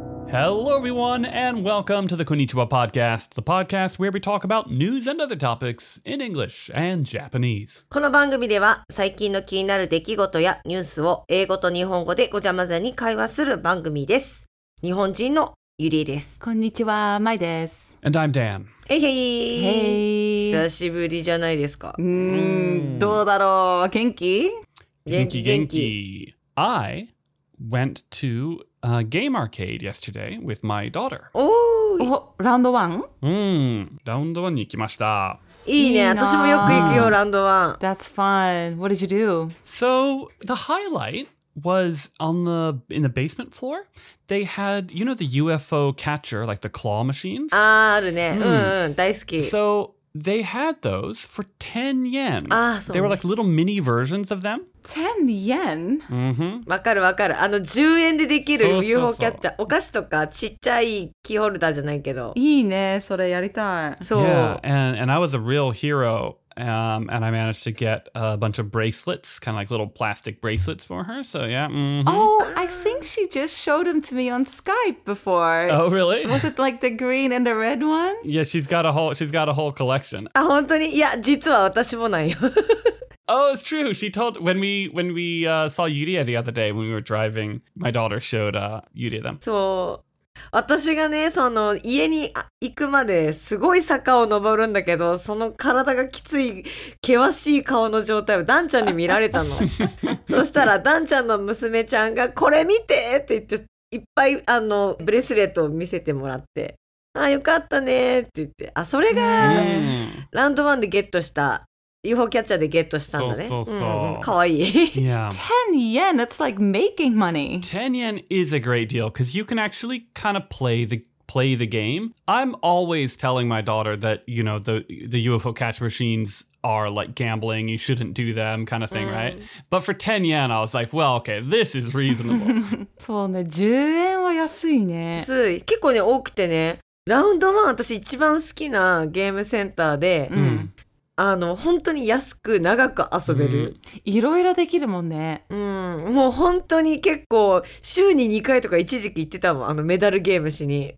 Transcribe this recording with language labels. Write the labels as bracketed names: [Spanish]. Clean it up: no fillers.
[English] Hello, everyone, and welcome to the Konnichiwa Podcast, the podcast where we talk about news and other topics in English and Japanese. [Japanese] この番組では最近の気になる出来事やニュースを英語と日本語でごちゃ混ぜに会話する番組です。日本人のゆりです。こんにちは、まいです。 [English] And I'm Dan. Hey, hey. [Japanese] 久しぶりじゃないですか。どうだろう。元気？元気元気。 [English] I went to a game arcade yesterday with my daughter. [Japanese] ラウンドワン？ラウンドワンに行きました。いいね。私もよく行くよ、ラウンドワン。 [English] That's fun. What did you do? So the highlight. Was on the in the basement floor. They had you know the UFO catcher like the claw machines. [Japanese] Ah, あるね。大好き。 [English] So they had those for 10 yen. Ah, so they were like little mini versions of them. 10 yen. Mm-hmm. [Japanese] わかるわかる。あの10円でできる UFO キャッチャー、お菓子とかちっちゃいキーホルダーじゃないけど。いいね。それやりたい。そう。 [English] Yeah, and I was a real hero. And I managed to get a bunch of bracelets, kind of like little plastic bracelets for her. So, yeah. Mm-hmm. Oh, I think she just showed them to me on Skype before. Oh, really? Was it like the green and the red one? Yeah, she's got a whole collection. [Japanese] あ、本当に?Yeah, 実は私もないよ。 [English] Oh, it's true. She told when we saw Yuria the other day when we were driving, my daughter showed Yuria them. So... [Japanese] 私がね、その家に行くまですごい坂を登るんだけど、その体がきつい険しい顔の状態をダンちゃんに見られたの。そしたらダンちゃんの娘ちゃんがこれ見てって言っていっぱいあのブレスレットを見せてもらって、あよかったねって言って、あそれがラウンドワンでゲットした。 UFO catcher でゲットしたんだね。そうそうそう。かわいい。 [English] Yeah. 10 yen, that's like making money. 10 yen is a great deal, because you can actually kind of play the game. I'm always telling my daughter that, you know, the UFO catch machines are like gambling, you shouldn't do them kind of thing, right? But for 10 yen, I was like, well, okay, this is reasonable. [Japanese] そうね、10円は安いね。安い。結構ね、多くてね。ラウンドワン、私一番好きなゲームセンターで、あの本当に安く長く遊べる、いろいろできるもんね、もう本当に結構週に2回とか一時期行ってたもん、あのメダルゲームしに、